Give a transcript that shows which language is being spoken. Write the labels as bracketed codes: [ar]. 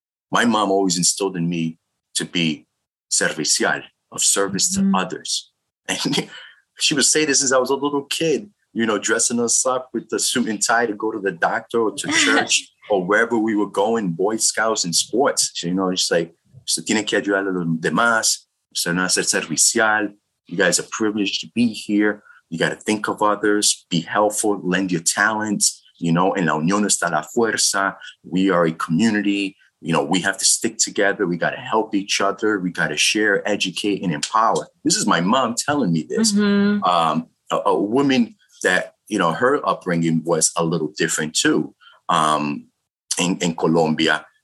[en] My mom always instilled in me to be servicial, of service mm-hmm. to others. And she would say this since I was a little kid, you know, dressing us up with the suit and tie to go to the doctor or to church or wherever we were going, Boy Scouts and sports. So, you know, it's like, [es] se tiene que ayudar a los demás, se no hacer servicial. [en] You guys are privileged to be here. You got to think of others, be helpful, lend your talents. You know, [es] en la unión está la fuerza. [en] We are a community. You know, we have to stick together. We got to help each other. We got to share, educate, and empower. This is my mom telling me this. Mm-hmm. A woman that, you know, her upbringing was a little different too in Colombia.